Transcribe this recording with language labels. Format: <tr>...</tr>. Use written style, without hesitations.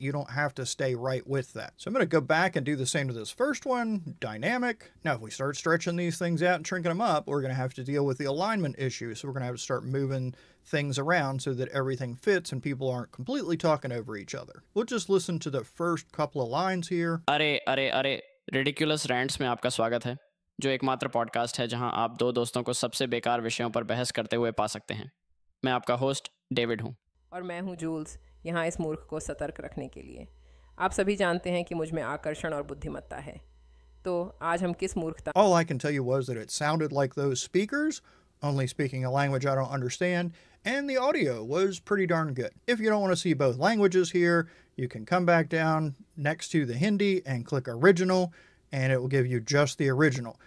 <en>You don't have to stay right with that. So I'm going to go back and do the same to this first one, dynamic. Now, if we start stretching these things out and shrinking them up, we're going to have to deal with the alignment issue. So we're going to have to start moving things around so that everything fits and people aren't completely talking over each other. We'll just listen to the first couple of lines here. Are.</en> <hi>Ridiculous rants में आपका स्वागत है जो एकमात्र podcast है जहां आप दो दोस्तों को सबसे बेकार विषयों पर बहस करते हुए पा सकते हैं मैं आपका होस्ट डेविड हूं और मैं हूं जूल्स यहां इस मूर्ख को सतर्क रखने के लिए आप सभी जानते हैं कि मुझ में आकर्षण और बुद्धिमत्ता है तो आज हम किस मूर्खता</hi> <en>All I can tell you was that it sounded like those speakers only speaking a language I don't understand and the audio was pretty darn good if you don't want to see both languages here You can come back down next to the Hindi and click original, and it will give you just the original.</en>